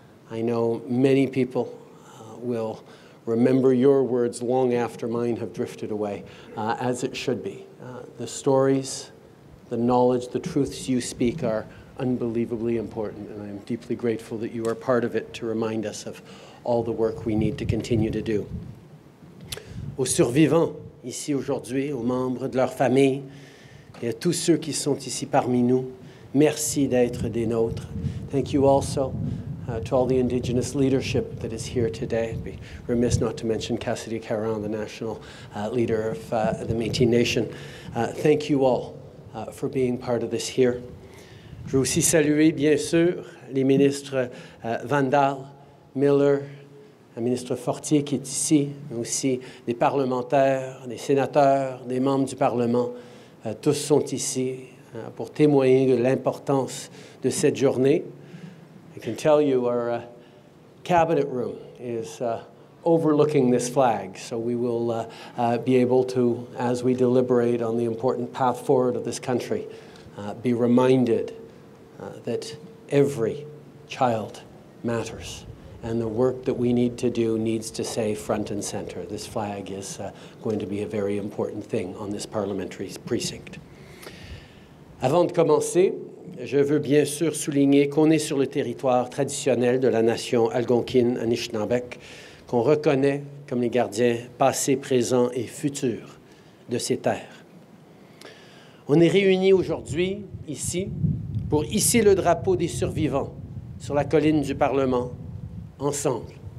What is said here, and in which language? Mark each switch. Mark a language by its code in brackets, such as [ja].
[en] I know many people will remember your words long after mine have drifted away, as it should be. The stories, the knowledge, the truths you speak are unbelievably important, and I'm deeply grateful that you are part of it to remind us of all the work we need to continue to do. [fr] Aux survivants ici aujourd'hui, aux membres de leur famille, et à tous ceux qui sont ici parmi nous, merci d'être des nôtres. [en] Thank you also to all the Indigenous leadership that is here today. I'd be remiss not to mention Cassidy Caron, the national leader of the Métis Nation. Thank you all for being part of this here. [fr] Je veux aussi saluer, bien sûr, les ministres Vandal, Miller, le ministre Fortier qui est ici, mais aussi des parlementaires, des sénateurs, des membres du Parlement. Tous sont ici pour témoigner de l'importance de cette journée. [en] I can tell you our cabinet room is overlooking this flag, so we will be able to, as we deliberate on the important path forward of this country, be reminded that every child matters, and the work that we need to do needs to stay front and center. This flag is going to be a very important thing on this parliamentary precinct. [fr] Avant de commencer, je veux bien sûr souligner qu'on est sur le territoire traditionnel de la nation algonquine Anishinaabe, qu'on reconnaît comme les gardiens passés, présents et futurs de ces terres. On est réunis aujourd'hui ici pour hisser le drapeau des survivants sur la colline du Parlement, ensemble.